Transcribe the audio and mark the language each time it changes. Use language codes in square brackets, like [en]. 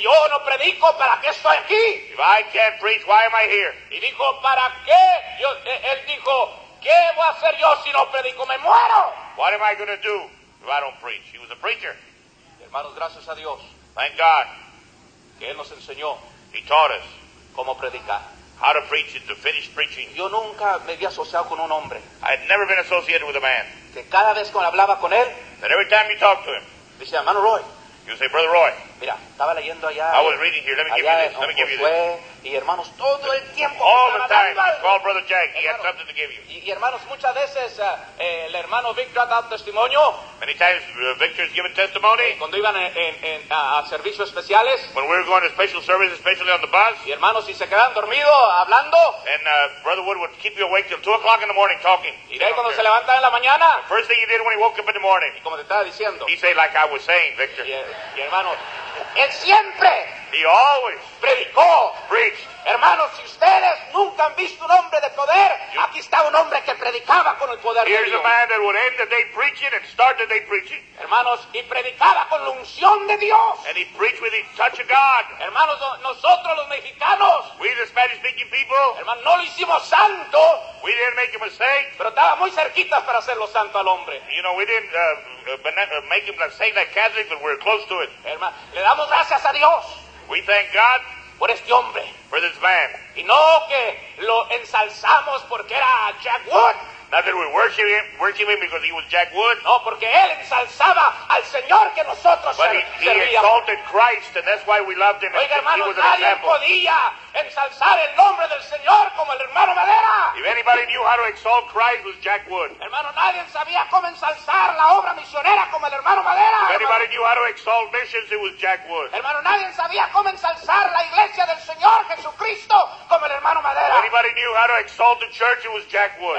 [es] Si yo no predico, ¿para qué estoy aquí? [en] If I can't preach, why am I here? [es] Y dijo, ¿para qué? Yo, él dijo, ¿qué voy a hacer yo si no predico? ¡Me muero! [en] What am I going to do if I don't preach? He was a preacher. [es] Hermanos, gracias a Dios. [en] Thank God. [es] Que Él nos enseñó. [en] He taught us. [es] Cómo predicar. [en] How to preach it, to finish preaching. [es] Yo nunca me había asociado con un hombre. [en] I had never been associated with a man. [es] Que cada vez que hablaba con él. [en] That every time you talk to him. [es] Dice, hermano Roy. [en] You say, Brother Roy. [es] Mira, estaba leyendo allá. [en] I was reading here. Let me give you this. Let me give you this. [es] Y hermanos, todo el tiempo. [en] All the time. Call Brother Jack. He had something to give you. [es] Y hermanos, muchas veces el hermano Victor ha dado testimonio. [en] Many times Victor has given testimony. [es] Cuando iban a servicios especiales. [en] When we were going to special service, especially on the bus. [es] Y hermanos, y se quedan dormidos hablando. [en] And Brother Wood would keep you awake till 2 o'clock in the morning talking. [es] Y de ahí cuando se levantaba en la mañana. [en] The first thing he did when he woke up in the morning. [es] Y como te estaba diciendo. [en] He said, like I was saying, Victor. [es] Y hermanos. Él siempre [en] he always [es] predicó. [en] Preached. [es] Hermanos, si ustedes nunca han visto un hombre de poder, you, aquí está un hombre que predicaba con el poder de Dios. [en] Here's a man that would end the day preaching and start the day preaching. [es] Hermanos, y predicaba con la unción de Dios. [en] And he preached with the touch of God. [es] Hermanos, nosotros los mexicanos, [en] we the Spanish speaking people, [es] hermanos, no lo hicimos santo. [en] We didn't make him a saint. [es] Pero estaba muy cerquita para hacerlo santo al hombre. [en] You know, we didn't make him a saint like Catholic, but we're close to it. [es] Hermanos, le damos gracias a Dios. [en] We thank God [es] por este hombre. [en] For this man. [es] Y no que lo ensalzamos porque era Jack Wood. [en] Not that we worship him because he was Jack Wood. [es] No, porque él ensalzaba al Señor que nosotros servíamos. [en] But he exalted Christ, and that's why we loved him. [es] Oiga, hermano, nadie podía ensalzar el nombre del Señor como el hermano Valera. [en] If anybody knew how to exalt Christ, it was Jack Wood. [es] Hermano, nadie sabía cómo ensalzar la obra misionera como el hermano Valera. [en] If anybody knew how to exalt missions, it was Jack Wood. [es] Hermano, nadie sabía cómo ensalzar la iglesia del Señor Jesucristo como el hermano Valera. [en] If anybody knew how to exalt the church, it was Jack Wood.